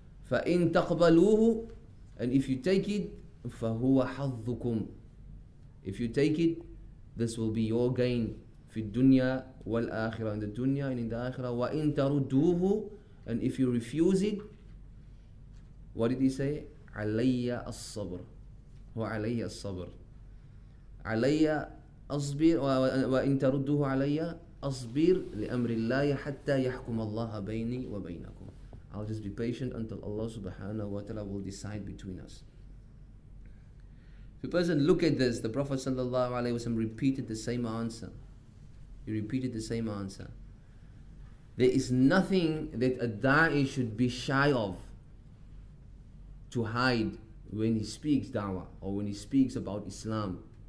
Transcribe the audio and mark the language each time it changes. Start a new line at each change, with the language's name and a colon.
Arabic: فَإِن تَقْبَلُوهُ,
English: and if you take it,
Arabic: فَهُوَ حَظُّكُمْ,
English: if you take it, this will be your gain.
Arabic: فِي الدُّنْيَا وَالْآخِرَةِ,
English: in the dunya and in the akhirah.
Arabic: وَإِن تَرُدُّوهُ,
English: and if you refuse it, what did he say?
Arabic: عَلَيَّ الصَّبْرُ, وعلي الصبر علي أصبر وإن ترده علي أصبر لأمر الله حتى يحكم الله بيني وبينكم.
English: I'll just be patient until Allah subhanahu wa ta'ala will decide between us. If a person look at this, the Prophet sallallahu alayhi wa sallam repeated the same answer. He repeated the same answer. There is nothing that a da'i should be shy of to hide when he speaks da'wah, or when he speaks about Islam.